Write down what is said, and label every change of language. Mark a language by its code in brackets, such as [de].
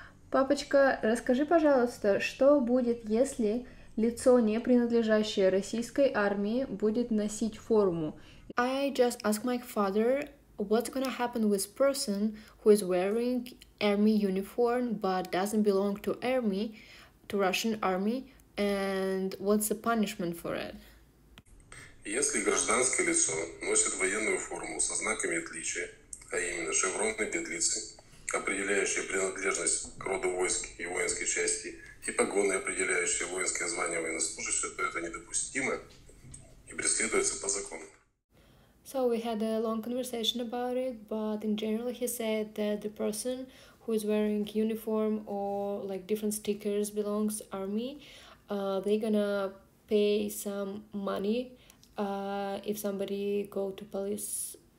[ru] Папочка, расскажи, пожалуйста, что будет, если лицо, не принадлежащее российской армии, будет носить форму? [en] I just asked my father, what's gonna happen with person who is wearing army uniform but doesn't belong to army, to Russian army, and what's the punishment for it? [ru] Если гражданское лицо носит военную форму со знаками отличия, а именно шевроны и петлицы, определяющие принадлежность к роду войск и воинской части, и погоны, определяющие воинское звание военнослужащего, то это недопустимо и преследуется по закону. [en] So we had a long conversation about it, but in general he said that the person who is wearing uniform or like different stickers belongs army, they're gonna pay some money if somebody gonna call to police.